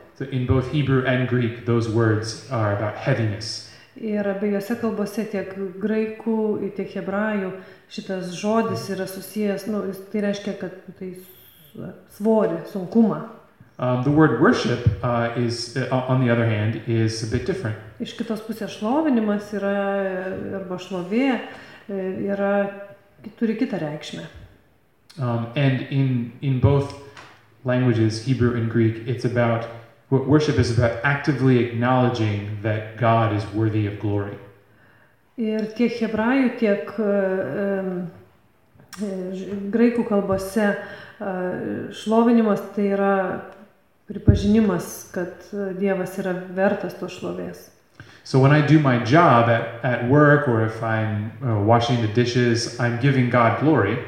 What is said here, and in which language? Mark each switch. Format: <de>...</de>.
<en>So in both Hebrew and Greek, those words are about heaviness.</en> <lt>Ir abiejose kalbose, tiek graikų, tiek hebrajų, šitas žodis yra susijęs, nu, tai reiškia, kad tai svorį, sunkumą.</lt> <en>The word worship is on the other hand is a bit different.</en> <lt>Iš kitos pusės šlovinimas yra arba šlovė yra turi kitą reikšmę.</lt> <en>And in both languages, Hebrew and Greek, it's about What worship is about actively acknowledging that God is worthy of glory.</en> <lt>Ir tiek hebrajų, tiek graikų kalbose šlovinimas tai yra pripažinimas, kad Dievas yra vertas to šlovės.</lt> <en>So when I do my job at work or if I'm washing the dishes, I'm giving God glory.</en>